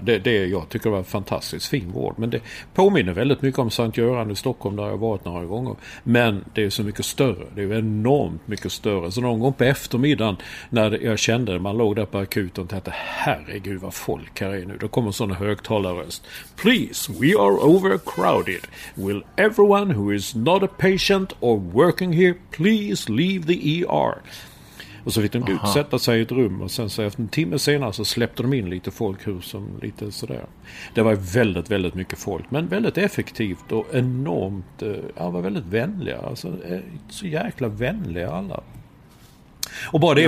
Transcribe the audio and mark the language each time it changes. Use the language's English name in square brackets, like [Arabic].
[Swedish] Det jag tycker det var fantastiskt fin vård. Men det påminner väldigt mycket om Sankt Göran i Stockholm, där jag har varit några gånger. Men det är så mycket större. Det är enormt mycket större. Så någon gång på eftermiddagen när jag kände det, man låg där på akuten och tänkte, herregud vad folk här är nu. Då kommer sån högtalaröst. [English] Please, we are overcrowded. We'll... Everyone who is not a patient or working here, please leave the ER. [Swedish] Och så fick de utsätta sig i ett rum, och sen så efter en timme senare så släppte de in lite folk hur som lite sådär. Det var väldigt, väldigt mycket folk, men väldigt effektivt och enormt, ja, var väldigt vänliga. Alltså, så jäkla vänliga alla. Och bara det är